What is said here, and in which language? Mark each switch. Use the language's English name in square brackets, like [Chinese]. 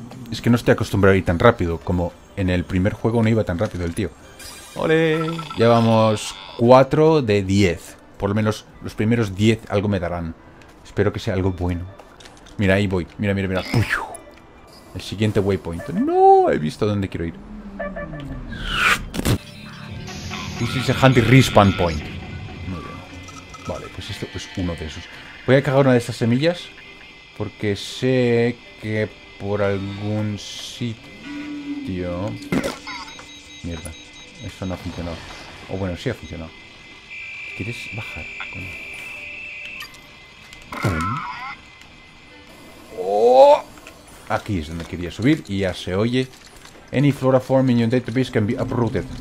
[Spanish] Es que no estoy acostumbrado a ir tan rápido, como en el primer juego no iba tan rápido el tío. ¡Ole! Llevamos 4 de 10. Por lo menos los primeros 10 algo me darán. Espero que sea algo bueno. Mira, ahí voy. Mira, mira, mira. El siguiente waypoint. No, he visto dónde quiero ir. [English] This is a handy respawn point. [Spanish] Vale, pues esto es uno de esos. Voy a cagar una de estas semillas. Porque sé que por algún sitio... Mierda. Esto no ha funcionado. O bueno, sí ha funcionado. ¿Quieres bajar? Aquí es donde quería subir y ya se oye. [English] Any flora form in your database can be uprooted.